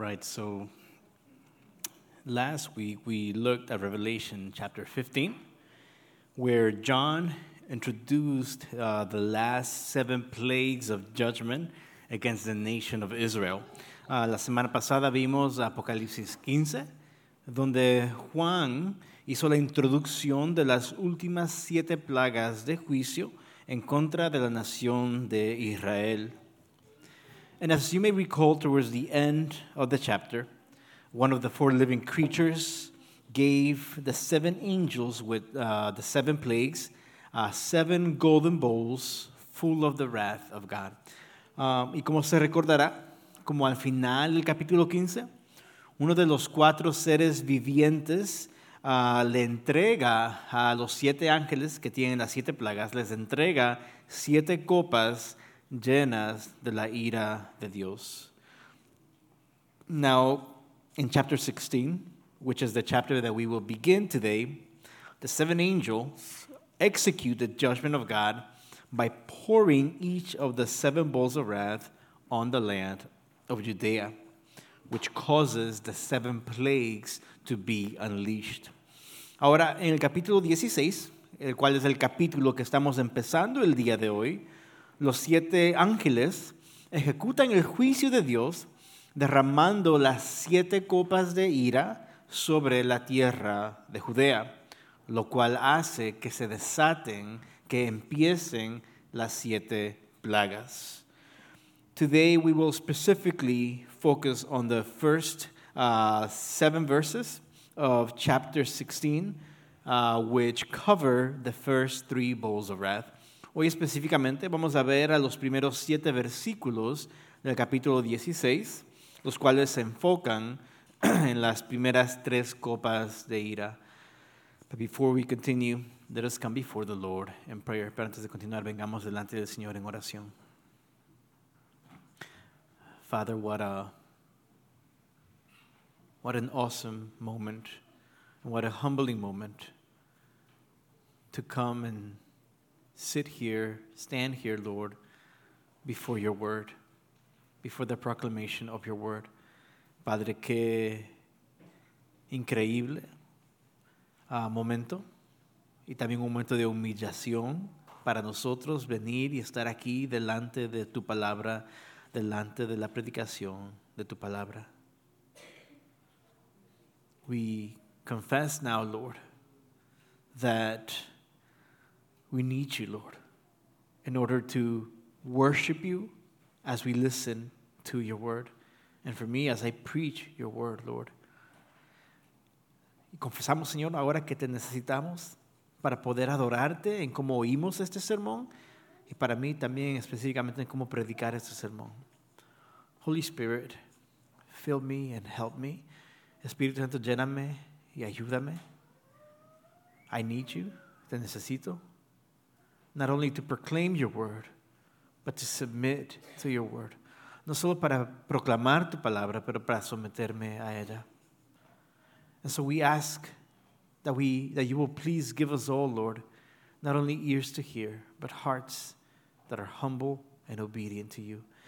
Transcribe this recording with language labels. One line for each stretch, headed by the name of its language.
English: Right, so last week we looked at Revelation chapter 15, where John introduced the last seven plagues of judgment against the nation of Israel.
Spanish: La semana pasada vimos Apocalipsis 15, donde Juan hizo la introducción de las últimas siete plagas de juicio en contra de la nación de Israel.
English: And as you may recall, towards the end of the chapter, one of the four living creatures gave the seven angels with the seven plagues seven golden bowls full of the wrath of God.
Spanish: Y como se recordará, como al final del capítulo 15, uno de los cuatro seres vivientes le entrega a los siete ángeles que tienen las siete plagas, les entrega siete copas llenas de la ira de Dios.
English: Now, in chapter 16, which is the chapter that we will begin today, the seven angels execute the judgment of God by pouring each of the seven bowls of wrath on the land of Judea, which causes the seven plagues to be unleashed.
Spanish: Ahora, en el capítulo 16, el cual es el capítulo que estamos empezando el día de hoy, los siete ángeles ejecutan el juicio de Dios derramando las siete copas de ira sobre la tierra de Judea, lo cual hace que se desaten, que empiecen las siete plagas.
English: Today we will specifically focus on the first seven verses of chapter 16, which cover the first three bowls of wrath.
Spanish: Hoy específicamente vamos a ver a los primeros siete versículos del capítulo 16, los cuales se enfocan en las primeras tres copas de ira.
English: But before we continue, let us come before the Lord in prayer.
Spanish: Pero antes de continuar, vengamos delante del Señor en oración.
English: Father, what an awesome moment, and what a humbling moment to come and sit here, stand here, Lord, before your word, before the proclamation of your word.
Spanish: Padre, qué increíble momento, y también un momento de humillación para nosotros venir y estar aquí delante de tu palabra, delante de la predicación de tu palabra.
English: We confess now, Lord, that we need you, Lord, in order to worship you as we listen to your word. And for me, as I preach your word, Lord.
Spanish: Y confesamos, Señor, ahora que te necesitamos para poder adorarte en cómo oímos este sermón y para mí también específicamente en cómo predicar este sermón.
English: Holy Spirit, fill me and help me.
Spanish: Espíritu Santo, lléname y ayúdame.
English: I need you.
Spanish: Te necesito.
English: Not only to proclaim your word, but to submit to your word.
Spanish: No solo para proclamar tu palabra, pero para someterme a ella.
English: And so we ask that you will please give us all, Lord, not only ears to hear, but hearts that are humble and obedient to you.